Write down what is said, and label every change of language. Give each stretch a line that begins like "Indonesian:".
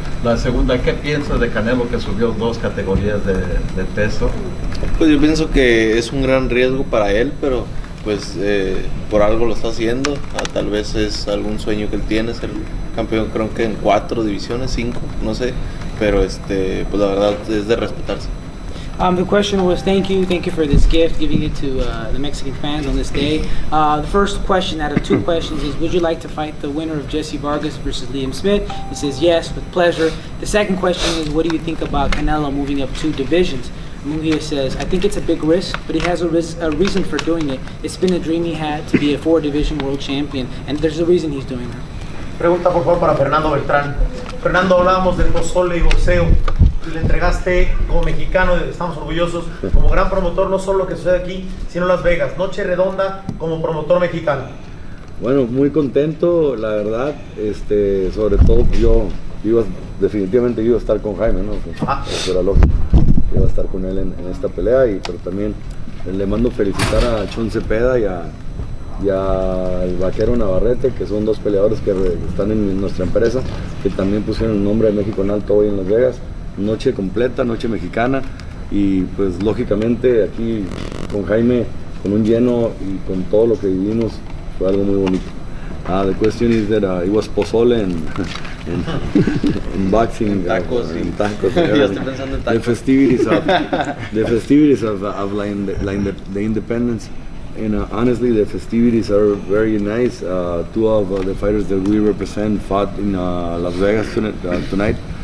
Spanish: La segunda, ¿qué piensas de Canelo que subió dos categorías de peso? Pues yo pienso que es un gran riesgo para él, pero pues por algo lo está haciendo. Ah, tal vez es algún sueño que él tiene, ser campeón, creo que en cuatro divisiones, cinco, no sé. Pero pues la verdad es de respetarse.
English: The question was, thank you for this gift, giving it to the Mexican fans on this day. The first question out of two questions is, would you like to fight the winner of Jesse Vargas versus Liam Smith? He says, yes, with pleasure. The second question is, what do you think about Canelo moving up two divisions? Munguia says, I think it's a big risk, but he has a reason for doing it. It's been a dream he had to be a four-division world champion, and there's a reason he's doing it.
Spanish: Pregunta, por favor, para Fernando Beltrán. Fernando, hablábamos del pozole y boxeo. Le entregaste como mexicano, estamos orgullosos, como gran promotor, no solo lo que sucede aquí, sino Las Vegas. Noche redonda como promotor mexicano. Bueno, muy contento, la verdad. Sobre todo, yo iba, definitivamente iba a estar con Jaime, ¿no? Eso era lógico. Iba a estar con él en esta pelea, pero también le mando felicitar a Chon Cepeda y al Vaquero Navarrete, que son dos peleadores que están en nuestra empresa, que también pusieron el nombre de México en alto hoy en Las Vegas. Noche completa, noche mexicana, y pues lógicamente aquí con Jaime, con un lleno y con todo lo que vivimos, fue algo muy bonito.
English: Ah, the question is that it was pozole in boxing,
Spanish: en tacos, sí. En tacos. Ya estoy pensando en tacos.
English: The festivities of the independence, and honestly the festivities are very nice. Two of the fighters that we represent fought in Las Vegas tonight.